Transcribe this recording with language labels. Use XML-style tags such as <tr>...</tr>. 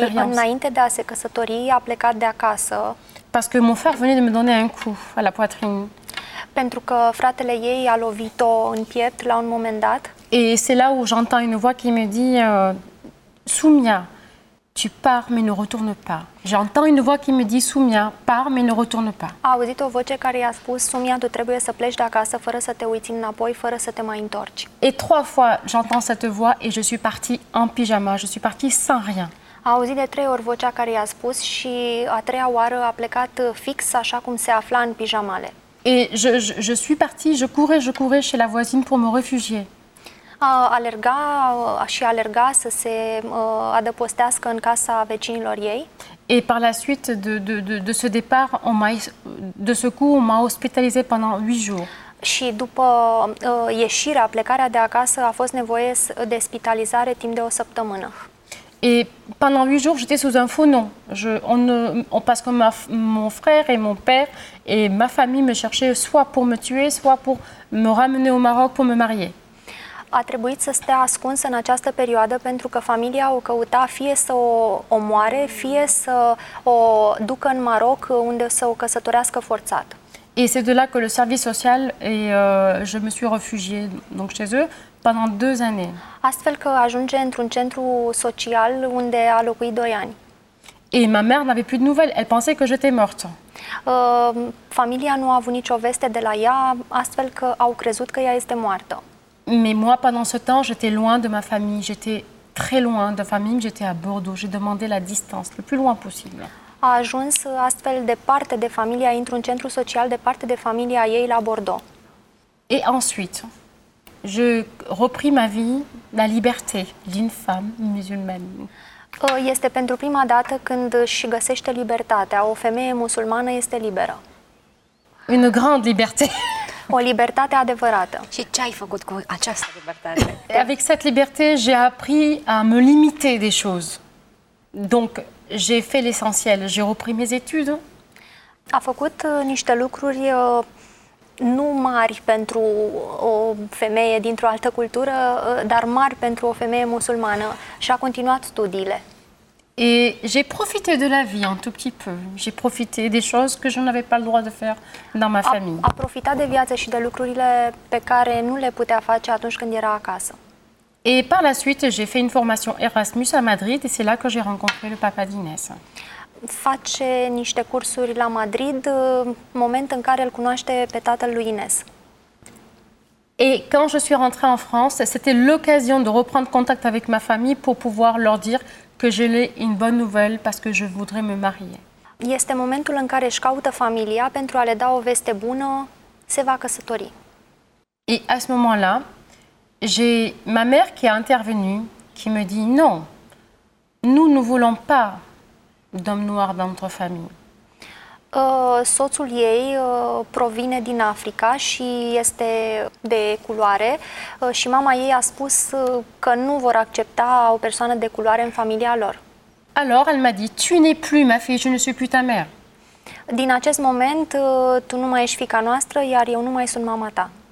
<ro>Înainte de a se căsători, a plecat de acasă.</ro> <fr>Parce que mon frère venait de me donner un coup à la poitrine.</fr> <ro>Pentru că fratele ei a lovit-o în piept la un moment dat.</ro> <fr>Et c'est là où j'entends une voix qui me dit Soumia, tu pars mais ne retourne pas. J'entends une voix qui me dit Soumia, pars mais ne retourne pas.</fr> <ro>A auzit o voce care i-a spus Soumia, tu trebuie să pleci de acasă fără să te uiți înapoi, fără să te mai întorci.</ro> <fr>Et trois fois j'entends cette voix et je suis partie en pyjama, je suis partie sans rien.</fr> <ro>A auzit de trei ori vocea care i-a spus și a treia oară a plecat fix așa cum se afla în pijamale.</ro> <fr>Et je suis partie, je courais chez la voisine pour me réfugier.</fr> <ro>Alerga și alerga să se adăpostească în casa vecinilor ei.</ro> <fr>Et par la suite de ce départ, on m'a hospitalisé pendant 8 jours.</fr> <ro>Și după ieșirea, plecarea de acasă, a fost nevoie de spitalizare timp de o săptămână.</ro> <fr>Et pendant 8 jours, j'étais sous un faux nom. Parce que mon frère et mon père et ma famille me cherchaient soit pour me tuer, soit pour me ramener au Maroc pour me marier.</fr> <ro>A trebuit să stea ascunsă în această perioadă pentru că familia o căuta fie să o omoare, fie să o ducă în Maroc unde să o căsătorească forțat.</ro> <fr>Et c'est de là que le service social et je me suis réfugiée donc chez eux pendant 2 années.</fr> <ro>Astfel că ajunge într-un centru social unde a locuit 2 ani.</ro> <fr>Et ma mère n'avait plus de nouvelles, elle pensait que j'étais morte.</fr> <ro>Familia nu a avut nicio veste de la ea, astfel că au crezut că ea este moartă.</ro> <fr>Mais moi, pendant ce temps, j'étais loin de ma famille. J'étais très loin de famille. J'étais à Bordeaux. J'ai demandé la distance, le plus loin possible.</fr> <ro>A ajuns astfel departe de familia, într-un centru social, departe de familia ei la Bordeaux.</ro> <fr>Et ensuite, je repris ma vie, la liberté d'une femme musulmane.</fr> <ro>Este pentru prima dată când își găsește libertatea. O femeie musulmană este liberă.</ro> <fr>Une grande liberté.</fr> <ro>O libertate adevărată. Și ce ai făcut cu această libertate?</ro> <fr>Avec cette liberté, j'ai appris à me limiter des choses. Donc, j'ai fait l'essentiel, j'ai repris mes études.</fr> <ro>A făcut niște lucruri nu mari pentru o femeie dintr-o altă cultură, dar mari pentru o femeie musulmană și a continuat studiile.</ro> <fr>Et j'ai profité de la vie un tout petit peu. J'ai profité des choses que je n'avais pas le droit de faire dans ma famille.</fr> <ro>A profitat de viață și de lucrurile pe care nu le putea face atunci când era acasă.</ro> <fr>Et par la suite, j'ai fait une formation Erasmus à Madrid et c'est là que j'ai rencontré le papa d'Inès.</fr> <ro>Face niște cursuri la Madrid, moment în care îl cunoaște pe tatăl lui Inès.</ro> <fr>Et quand je suis rentrée en France, c'était l'occasion de reprendre contact avec ma famille pour pouvoir leur dire que je l'ai une bonne nouvelle parce que je voudrais me marier.</fr> <ro>Este momentul în care își caută familia pentru a le da o veste bună, se va căsători.</ro> <fr>Et à ce moment-là, j'ai ma mère qui est intervenue, qui me dit non, nous ne voulons pas d'homme noir dans notre famille.</fr> <ro>Soțul ei provine din Africa și este de culoare și mama ei a spus că nu vor accepta o persoană de culoare în familia lor.</ro> <fr>Alors, elle m'a dit, tu n'es plus ma fille, je ne suis plus ta mère.</fr> <ro>Din acest moment, tu nu mai ești fiica noastră, iar eu nu mai sunt mama ta.</ro>